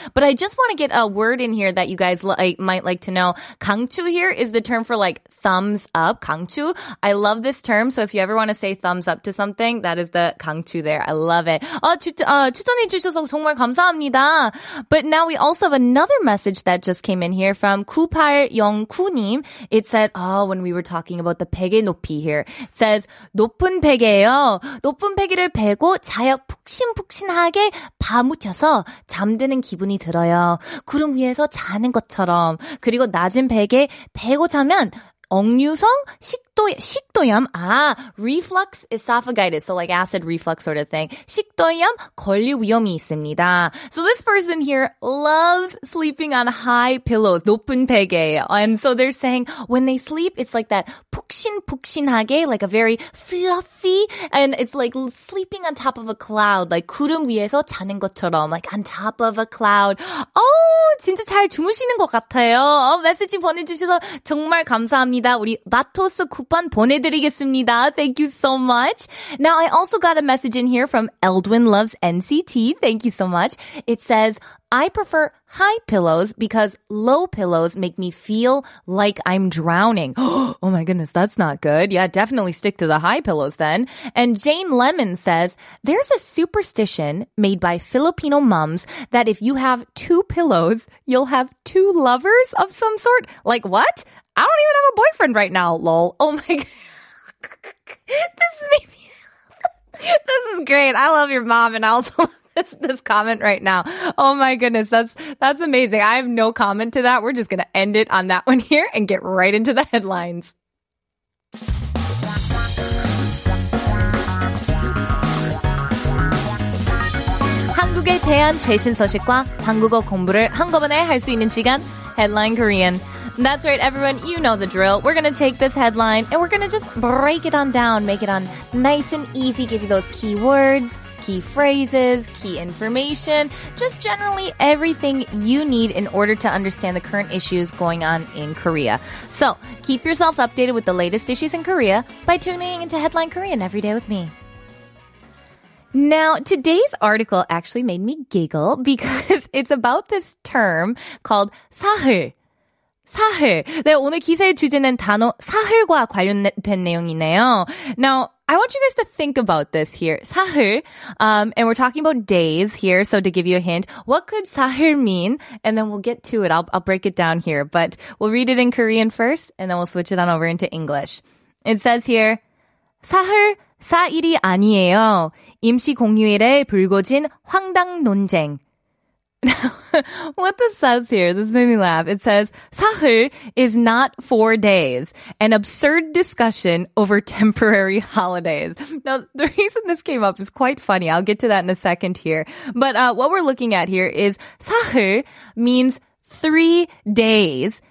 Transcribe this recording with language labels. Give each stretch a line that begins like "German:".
English: But I just want to get a word in here that you guys might like to know. 강추 here is the term for like thumbs up. 강추. I love this term. So if you ever want to say thumbs up to something, that is the 강추 there. I love it.
Korean: 추천해 주셔서 정말 감사합니다.
English: But now we also have another message that just came in here from 9809님. It said, when we were talking about the
Korean: 베개 높이
English: here. It says,
Korean: 높은 베개예요. 높은 베개를 베고 자야 푹신푹신하게 파묻혀서 잠드는 기분이 들어요. 구름 위에서 자는 것처럼. 그리고 낮은 베개 베고 자면 억류성 식도염
English: reflux esophagitis, so like acid reflux sort of thing.
Korean: 식도염 걸리 위험이 있습니다.
English: So this person here loves sleeping on high pillows,
Korean: 높은 베개.
English: And so they're saying when they sleep, it's like that 푹신푹신하게, like a very fluffy, and it's like sleeping on top of a cloud, like
Korean: 구름 위에서 자는 것처럼,
English: like on top of a cloud.
Korean: 진짜 잘 주무시는 것 같아요. 메시지 보내주셔서 정말 감사합니다. 우리 마토스 쿠폰 보내드리겠습니다.
English: Thank you so much. Now, I also got a message in here from Eldwin Loves NCT. Thank you so much. It says, I prefer high pillows because low pillows make me feel like I'm drowning. Oh my goodness, that's not good. Yeah, definitely stick to the high pillows then. And Jane Lemon says, there's a superstition made by Filipino moms that if you have two pillows, you'll have two lovers of some sort. Like what? I don't even have a boyfriend right now, lol. Oh my god. This made me... This is great. I love your mom and I also... This comment right now. Oh my goodness. That's amazing. I have no comment to that. We're just going to end it on that one here and get right into the headlines.
Korean: Hangul에 대한 최신 소식과 한국어 공부를 한꺼번에 할 수 있는 시간.
English: Headline Korean. That's right, everyone. You know the drill. We're going to take this headline and we're going to just break it on down, make it on nice and easy, give you those key words, key phrases, key information, just generally everything you need in order to understand the current issues going on in Korea. So keep yourself updated with the latest issues in Korea by tuning into Headline Korean every day with me. Now, today's article actually made me giggle because it's about this term called 사흘. 사흘.
Korean: 네, 오늘 기사의 주제는 단어 사흘과 관련된 내용이네요.
English: Now, I want you guys to think about this here. 사흘. And we're talking about days here. So to give you a hint, what could 사흘 mean? And then we'll get to it. I'll break it down here. But we'll read it in Korean first, and then we'll switch it on over into English. It says here,
Korean: 사흘 4일이 아니에요. 임시 공휴일에 불거진 황당 논쟁.
English: Now, what this says here, this made me laugh. It says, 사흘 is not 4 days, an absurd discussion over temporary holidays. Now, the reason this came up is quite funny. I'll get to that in a second here. But what we're looking at here is 사흘 means 3 days.